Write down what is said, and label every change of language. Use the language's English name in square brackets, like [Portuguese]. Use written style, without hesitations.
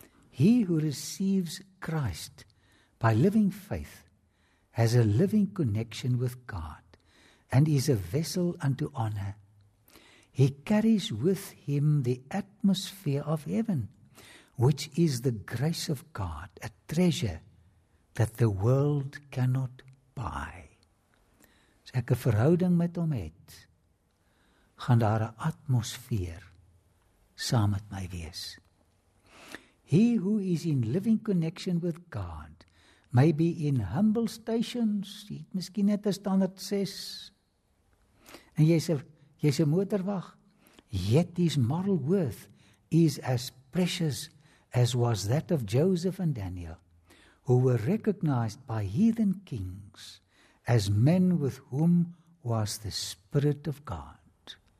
[English] He who receives Christ by living faith has a living connection with God and is a vessel unto honor. He carries with him the atmosphere of heaven, which is the grace of God, a treasure that the world cannot buy. [Afrikaans] As ek 'n verhouding met hom het, gaan daar 'n atmosfeer saam met my wees. [English] He who is in living connection with God may be in humble stations, [Afrikaans] het miskien net 'n standaard 6, en jy's 'n motorwag, [English] yet his moral worth is as precious as was that of Joseph and Daniel, who were recognized by heathen kings as men with whom was the Spirit of God.